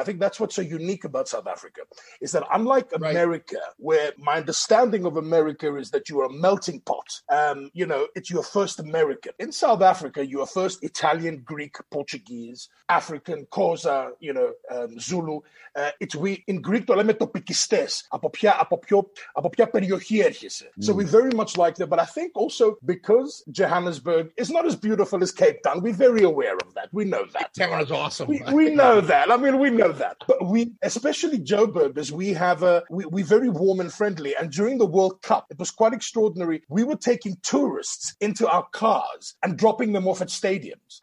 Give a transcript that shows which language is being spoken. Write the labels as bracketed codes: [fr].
[en] And I think that's what's so unique about South Africa, is that unlike America, right, where my understanding of America is that you are a melting pot, you know, it's your first American. In South Africa, you are first Italian, Greek, Portuguese, African, Xhosa, you know, Zulu. In Greek, [el] το λέμε το πικιστές, από ποια περιοχή έρχεσαι. [en] So we very much like that. But I think also because Johannesburg is not as beautiful as Cape Town, we're very aware of that. We know that. Cape Town is awesome. We know that. I mean, we know that. But we, especially Joburg, as we have a, we're very warm and friendly. And during the World Cup, it was quite extraordinary. We were taking tourists into our cars and dropping them off at stadiums.